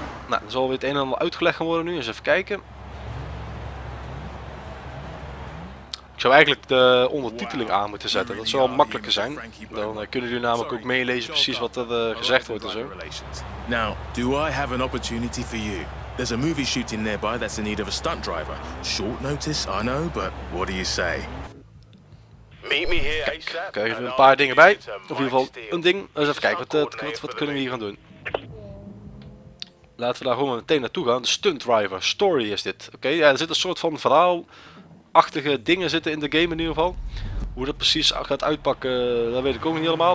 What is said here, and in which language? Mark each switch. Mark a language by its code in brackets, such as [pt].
[nl] Nou, er zal weer het een en ander uitgelegd worden nu. Eens even kijken. Ik zou eigenlijk de ondertiteling aan moeten zetten. Dat zou makkelijker zijn. Dan kunnen jullie namelijk ook meelezen precies wat er gezegd wordt en zo. [en] Now, do I have an opportunity for you? There's a movie shooting nearby that's in need of a stunt driver. Short notice, I know, but what do you say? Meet me here. [nl] Kijk, ik krijg even een paar dingen bij. Of in ieder geval een ding. Eens even kijken, wat kunnen we hier gaan doen? Laten we daar gewoon meteen naartoe gaan. De stunt driver, story is dit. Oké, okay, ja, er zit een soort van verhaal. Achtige dingen zitten in de game in ieder geval. Hoe dat precies gaat uitpakken, dat weet ik ook niet helemaal.